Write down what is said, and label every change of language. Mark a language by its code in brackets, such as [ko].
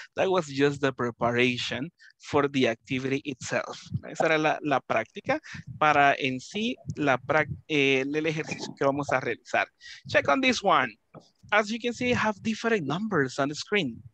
[en] That was just the preparation for the activity itself. [es] Esa era la práctica para en sí el ejercicio que vamos a realizar. [en] Check on this one. As you can see, I have different numbers on the screen.